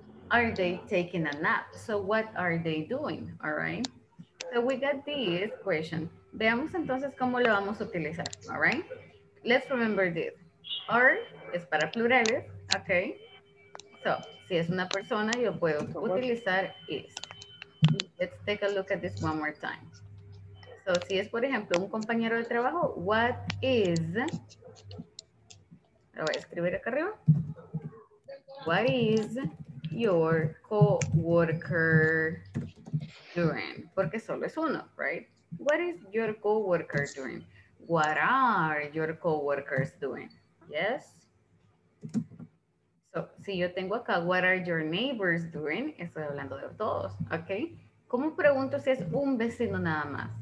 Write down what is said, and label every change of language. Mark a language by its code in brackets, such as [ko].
[en] Are they taking a nap? So what are they doing? All right. So we got this question. [es] Veamos entonces cómo lo vamos a utilizar. [en] All right. Let's remember this. Are is [es] para plurales. [en] Okay. [es] So si es una persona, yo puedo utilizar is. [en] Let's take a look at this one more time. [es] So si es, por ejemplo, un compañero de trabajo, [en] what is, [es] lo voy a escribir acá arriba. [en] What is your co-worker doing? [es] Porque solo es uno, [en] right? What is your co-worker doing? What are your co-workers doing? Yes. So, [es] si yo tengo acá, [en] what are your neighbors doing? [es] Estoy hablando de todos, ¿ok? ¿Cómo pregunto si es un vecino nada más?